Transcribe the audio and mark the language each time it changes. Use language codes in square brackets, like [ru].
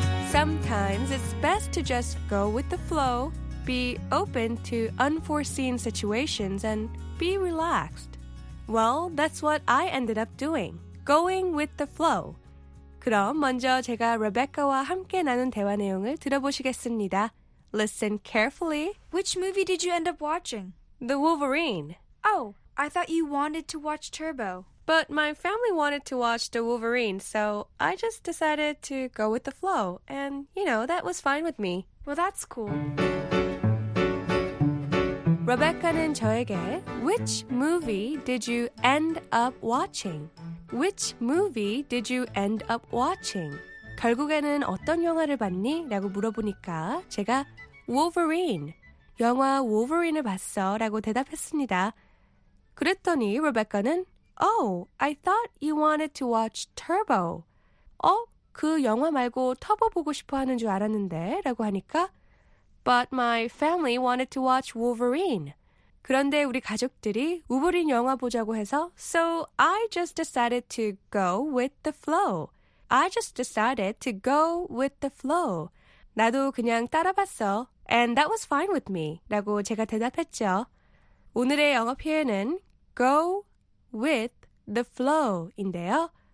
[en] Sometimes it's best to just go with the flow, be open to unforeseen situations, and be relaxed. Well, that's what I ended up doing, going with the flow. [ko] 그럼 먼저 제가 레베카와 함께 나눈 대화 내용을 들어보시겠습니다. [en] Listen carefully. Which movie did you end up watching? The Wolverine. Oh, I thought you wanted to watch Turbo. But my family wanted to watch The Wolverine, so I just decided to go with the flow. And, you know, that was fine with me. Well, that's cool. Rebecca는 [ko] 저에게, [en] which movie did you end up watching? Which movie did you end up watching? [ko] 결국에는 어떤 영화를 봤니? 라고 물어보니까 제가 Wolverine, 영화 Wolverine을 봤어 라고 대답했습니다. 그랬더니 [en] Rebecca는 Oh, I thought you wanted to watch Turbo. [ko] 어? 그 영화 말고 터보 보고 싶어 하는 줄 알았는데? 라고 하니까 [en] But my family wanted to watch Wolverine. [ko] 그런데 우리 가족들이 Wolverine 영화 보자고 해서 [en] So I just decided to go with the flow. I just decided to go with the flow. [ko] 나도 그냥 따라 봤어. [en] And that was fine with me. [ko] 라고 제가 대답했죠. 오늘의 영어 표현은 [en] go with the flow [ko] 인데요.